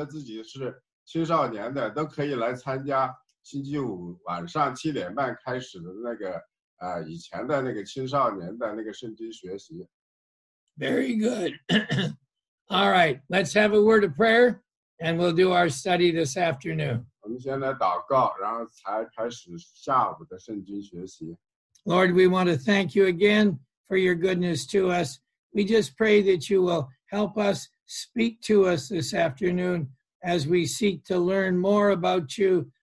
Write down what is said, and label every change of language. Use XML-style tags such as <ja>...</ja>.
<zh>就安娜的问题呢，就是说孩子有没有说那个星期五晚上那个青少年的那个活动会继续。艾德说还有3天不着急，但是跟大家讲一下，星期五晚上7点半青少年的那个已经恢复了。如果你家里有孩子，有青少年，有20岁的或者超过20岁，仍然觉得自己是青少年的，都可以来参加。星期五晚上7点半开始的那个，以前的那个青少年的那个圣经学习。</zh> <en>Very good. All right, let's have a word of prayer, and we'll do our study this afternoon.</en> <zh>我们先来祷告，然后才开始下午的圣经学习。</zh> <en>Lord, we want to thank you again for your goodness to us. We just pray that you will help us speak to us this afternoon as we seek to learn more about you.</en>